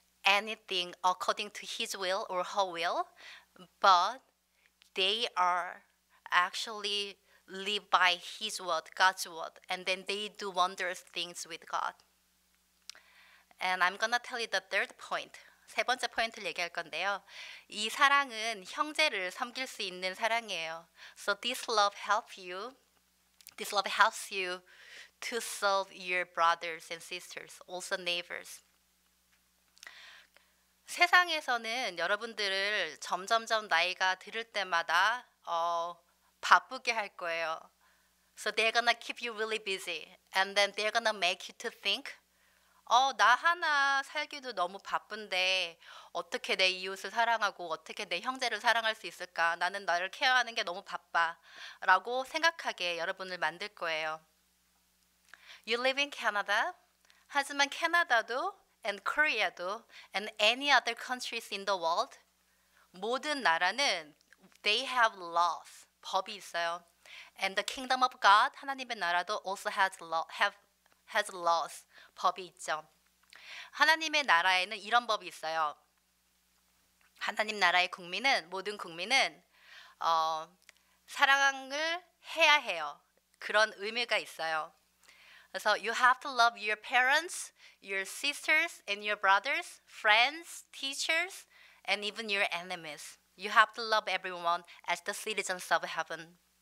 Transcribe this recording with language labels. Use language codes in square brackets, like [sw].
[en] anything according to his will or her will, but they are actually live by his word, God's word, and then they do wondrous things with God. And I'm gonna tell you the third point. [ko] 세 번째 포인트를 얘기할 건데요. 이 사랑은 형제를 섬길 수 있는 사랑이에요. [en] So this love helps you. This love helps you to serve your brothers and sisters, also neighbors. [ko] 세상에서는 여러분들을 점점점 나이가 들을 때마다 바쁘게 할 거예요. [en] So they're gonna keep you really busy, and then they're gonna make you to think, [ko] 나 하나 살기도 너무 바쁜데 어떻게 내 이웃을 사랑하고 어떻게 내 형제를 사랑할 수 있을까? 나는 나를 케어하는 게 너무 바빠 라고 생각하게 여러분을 만들 거예요. [en] You live in Canada. [ko] 하지만 캐나다도 [en] and Korea도 and any other countries in the world [ko] 모든 나라는 [en] they have laws, [ko] 법이 있어요. [en] And the kingdom of God, [ko] 하나님의 나라도 [en] also has laws, [ko] 법이 있죠. 하나님의 나라에는 이런 법이 있어요. 하나님 나라의 국민은, 모든 국민은 사랑을 해야 해요. 그런 의미가 있어요. [en] So you have to love your parents, your sisters, and your brothers, friends, teachers, and even your enemies. You have to love everyone as the citizens of heaven.